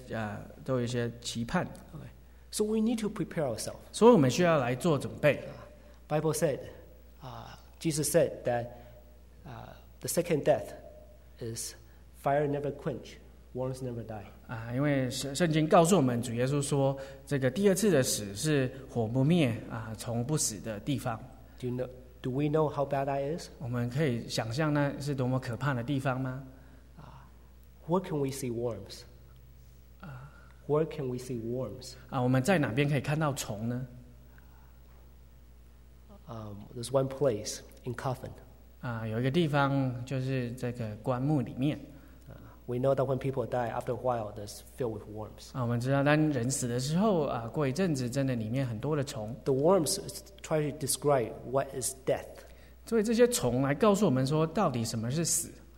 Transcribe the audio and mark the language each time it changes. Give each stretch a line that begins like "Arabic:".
Chinese: 但是这边神对于他所给予的都有一些期盼。
English: Okay. So we need to prepare ourselves.
Chinese: 所以我们需要来做准备。
English: Bible said, Jesus said that the second death is fire never quench, worms never die.
Chinese: 因为圣经告诉我们，主耶稣说，这个第二次的死是火不灭，从不死的地方。
English: Do we know how bad that is?
Chinese: 我们可以想象那是多么可怕的地方吗？
English: Where can we see worms? Where can we see worms?
Chinese: 我们在哪边可以看到虫呢？
English: There's one place in coffin.
Chinese: 有一个地方就是这个棺木里面。
English: We know that when people die, after a while, they're filled with worms.
Chinese: 我们知道当人死的时候，过一阵子，真的里面很多的虫。
English: The worms try to describe what is death.
Chinese: 所以这些虫来告诉我们说，到底什么是死。